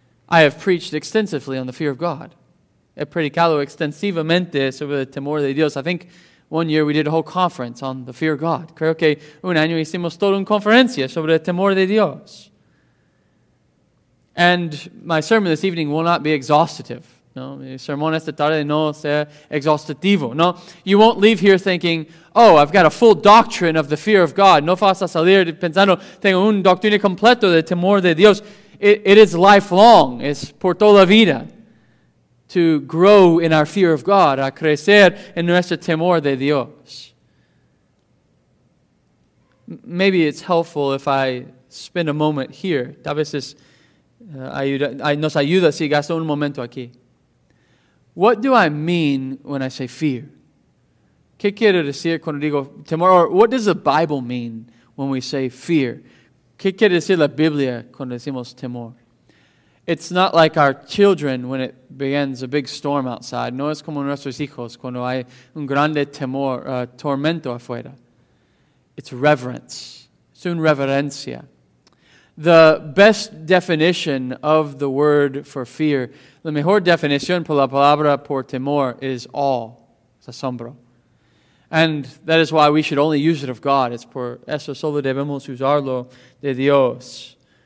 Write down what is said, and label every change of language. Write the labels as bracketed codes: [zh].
[en] I have preached extensively on the fear of God. [es] He predicado extensivamente sobre el temor de Dios. [en] I think one year we did a whole conference on the fear of God. [es] Creo que un año hicimos toda una conferencia sobre el temor de Dios. [en] And my sermon this evening will not be exhaustive. [es] No, mi sermón esta tarde no será exhaustivo. [en] No, you won't leave here thinking, oh, I've got a full doctrine of the fear of God. [es] No vas a salir pensando, tengo un doctrina completo del temor de Dios. [en] It is lifelong. [es] Es por toda la vida [en] to grow in our fear of God, [es] a crecer en nuestro temor de Dios. [en] Maybe it's helpful if I spend a moment here. [es] Tal vez es nos ayuda si gasto un momento aquí. [en] What do I mean when I say fear? [es] ¿Qué quiero decir cuando digo temor? [en] Or what does the Bible mean when we say fear? [es] ¿Qué quiere decir la Biblia cuando decimos temor? [en] It's not like our children when it begins a big storm outside. [es] No es como nuestros hijos cuando hay un grande temor, tormento afuera. [en] It's reverence. [es] Es un reverencia. [en] The best definition of the word for fear, [es] la mejor definición por la palabra por temor [en] is awe, [es] es asombro. [en] And that is why we should only use it of God. [es] Es por eso solo debemos usarlo de Dios.